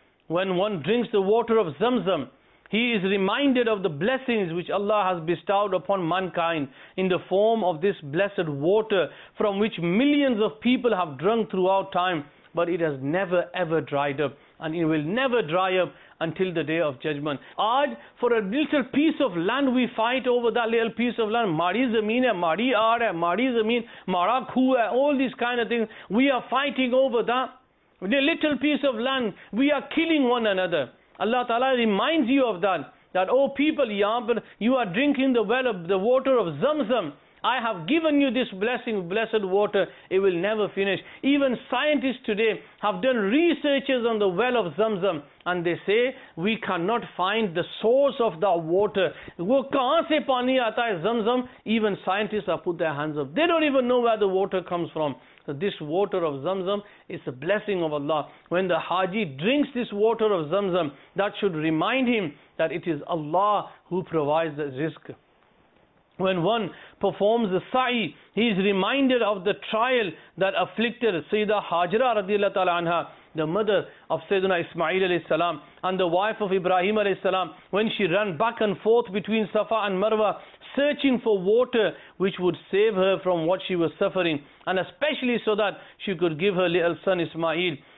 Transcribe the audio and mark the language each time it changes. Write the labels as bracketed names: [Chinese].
[English] When one drinks the water of Zamzam, he is reminded of the blessings which Allah has bestowed upon mankind in the form of this blessed water from which millions of people have drunk throughout time, but it has never ever dried up and it will never dry up until the day of judgment. Aaj, for a little piece of land, we fight over that little piece of land. [Urdu] مری زمین ہے، مری are ہے، مری زمین، مرا کھو ہے، [English] all these kind of things. We are fighting over that. With a little piece of land, we are killing one another. Allah Ta'ala reminds you of that. That, "Oh people, you are drinking the well of the water of Zamzam. I have given you this blessing, blessed water. It will never finish." Even scientists today have done researches on the well of Zamzam. And they say, "We cannot find the source of the water. [Urdu] وہ کہاں سے پانی آتا ہے زمزم؟" [English] Even scientists have put their hands up. They don't even know where the water comes from. So this water of Zamzam is a blessing of Allah. When the haji drinks this water of Zamzam, that should remind him that it is Allah who provides the rizq. When one performs the sa'i, he is reminded of the trial that afflicted Sayyida Hajra radiallahu ta'ala anha, the mother of Sayyidina Ismail alayhi salam, and the wife of Ibrahim alayhi salam, when she ran back and forth between Safa and Marwa, searching for water which would save her from what she was suffering, and especially so that she could give her little son Ismail.